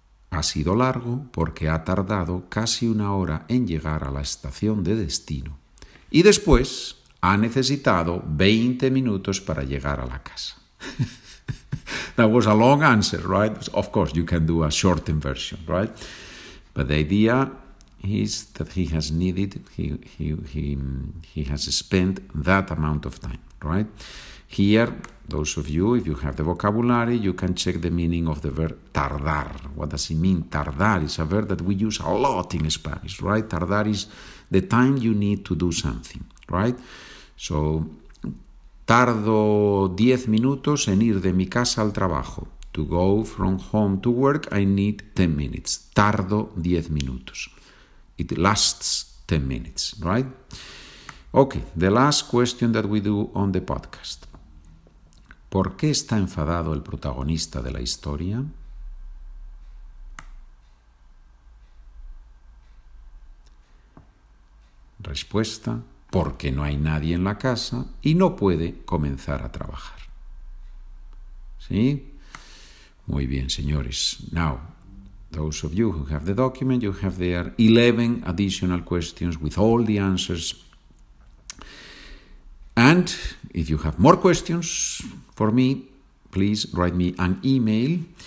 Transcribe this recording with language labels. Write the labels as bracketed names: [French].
[Spanish] Ha sido largo porque ha tardado casi una hora en llegar a la estación de destino y después ha necesitado 20 minutos para llegar a la casa. [English] That was a long answer, right? Of course, you can do a shortened version, right? But the idea is that he has spent that amount of time, right? Here, those of you, if you have the vocabulary, you can check the meaning of the verb tardar. What does it mean? Tardar is a verb that we use a lot in Spanish, right? Tardar is the time you need to do something, right? [Spanish] So, tardo 10 minutos en ir de mi casa al trabajo. [English] To go from home to work, I need 10 minutes. [Spanish] Tardo 10 minutos. [English] It lasts 10 minutes, right? Okay, the last question that we do on the podcast. [Spanish] ¿Por qué está enfadado el protagonista de la historia? Respuesta: porque no hay nadie en la casa y no puede comenzar a trabajar. ¿Sí? Muy bien, señores. [English] Now, those of you who have the document, you have there 11 additional questions with all the answers. And if you have more questions for me, please write me an email.